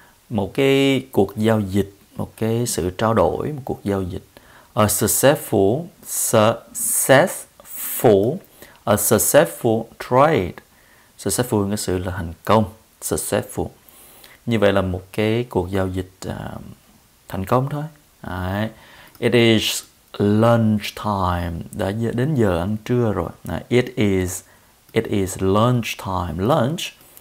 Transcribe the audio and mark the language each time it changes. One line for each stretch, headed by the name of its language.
Vietnamese: Một cái cuộc giao dịch, một cái sự trao đổi, một cuộc giao dịch.
English: A successful, successful, a successful trade.
Vietnamese: Successful nghĩa sự là thành công, successful. Như vậy là một cái cuộc giao dịch thành công thôi.
English: It is lunch time.
Vietnamese: Đã đến giờ ăn trưa rồi.
English: It is lunch time. Lunch.